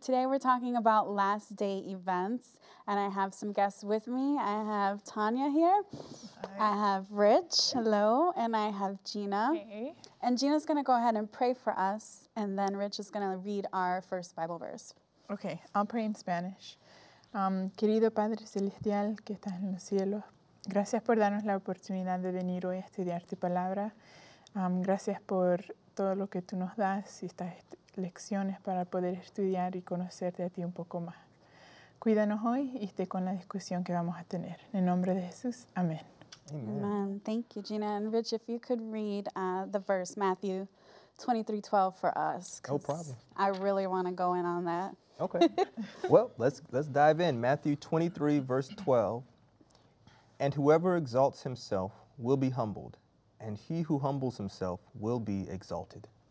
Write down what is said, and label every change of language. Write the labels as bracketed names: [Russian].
[English] Today we're talking about last day events, and I have some guests with me. I have Tanya here. Hi. I have Rich. Hello. And I have Gina. Hey. And Gina's going to go ahead and pray for us, and then Rich is going to read our first Bible verse. Okay, I'll pray in Spanish. [Spanish] Querido Padre Celestial que estás en los cielos, gracias por darnos la oportunidad de venir hoy a estudiar tu palabra. Gracias por todo lo que tú nos das y estas lecciones para poder estudiar y conocerte a ti un poco más. Cuídanos hoy y esté con la discusión que vamos a tener. En el nombre de Jesús, amén. [English] Amen. Thank you, Gina. And Rich, if you could read the verse, Matthew 23:12 for us. No problem. I really want to go in on that. Okay. Well, let's dive in. Matthew 23, verse 12. And whoever exalts himself will be humbled, and he who humbles himself will be exalted.